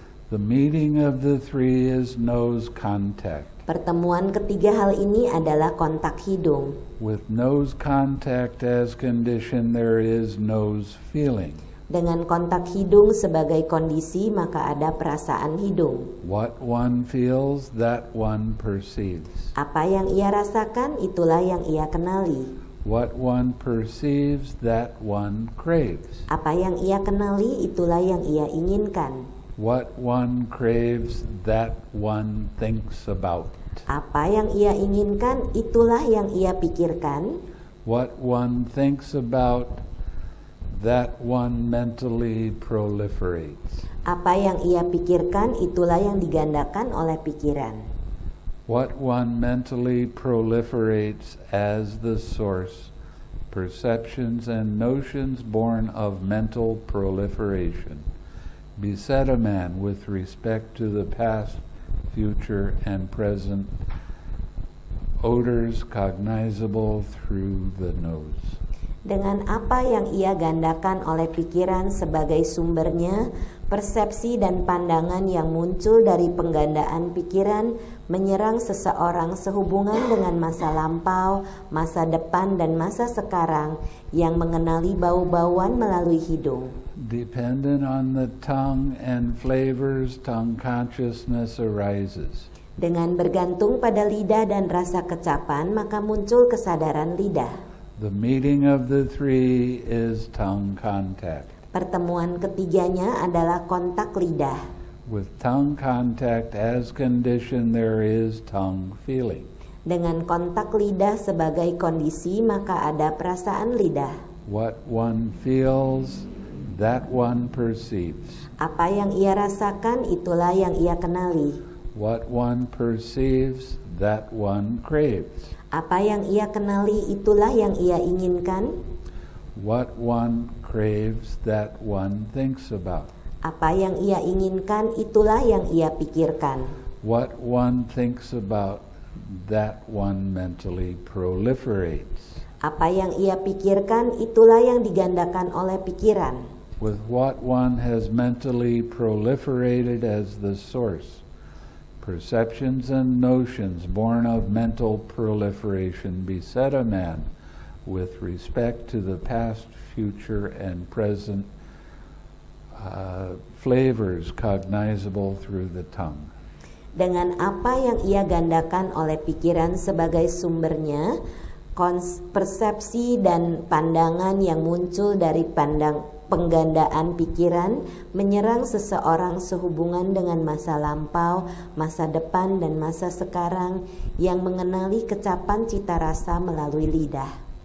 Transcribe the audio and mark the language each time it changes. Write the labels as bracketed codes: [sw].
[en] The meeting of the three is nose contact. [id] Pertemuan ketiga hal ini adalah kontak hidung. [en] With nose contact as condition, there is nose feeling. [id] Dengan kontak hidung sebagai kondisi, maka ada perasaan hidung. [en] What one feels, that one perceives. [id] Apa yang ia rasakan, itulah yang ia kenali. [en] What one perceives, that one craves. [id] Apa yang ia kenali, itulah yang ia inginkan. [en] What one craves, that one thinks about. [id] Apa yang ia inginkan, itulah yang ia pikirkan. [en] What one thinks about, that one mentally proliferates. [id] Apa yang ia pikirkan, itulah yang digandakan oleh pikiran. [en] What one mentally proliferates as the source, perceptions and notions born of mental proliferation beset a man with respect to the past, future, and present odors cognizable through the nose. [id] Dengan apa yang ia gandakan oleh pikiran sebagai sumbernya, persepsi dan pandangan yang muncul dari penggandaan pikiran menyerang seseorang sehubungan dengan masa lampau, masa depan, dan masa sekarang yang mengenali bau-bauan melalui hidung. [en] Dependent on the tongue and flavors, tongue consciousness arises. [id] Dengan bergantung pada lidah dan rasa kecapan, maka muncul kesadaran lidah. [en] The meeting of the three is tongue contact. [id] Pertemuan ketiganya adalah kontak lidah. [en] With tongue contact as condition, there is tongue feeling. [id] Dengan kontak lidah sebagai kondisi, maka ada perasaan lidah. [en] What one feels, that one perceives. [id] Apa yang ia rasakan, itulah yang ia kenali. [en] What one perceives, that one craves. [id] Apa yang ia kenali, itulah yang ia inginkan. [en] What one craves, that one thinks about. [id] Apa yang ia inginkan, itulah yang ia pikirkan. [en] What one thinks about, that one mentally proliferates. [id] Apa yang ia pikirkan, itulah yang digandakan oleh pikiran. [en] With what one has mentally proliferated as the source, perceptions and notions born of mental proliferation beset a man with respect to the past, future, and present flavors cognizable through the tongue. [id] Dengan apa yang ia gandakan oleh pikiran sebagai sumbernya, persepsi dan pandangan yang muncul dari penggandaan pikiran menyerang seseorang sehubungan dengan masa lampau, masa depan, dan masa sekarang yang mengenali kecapan cita rasa melalui lidah.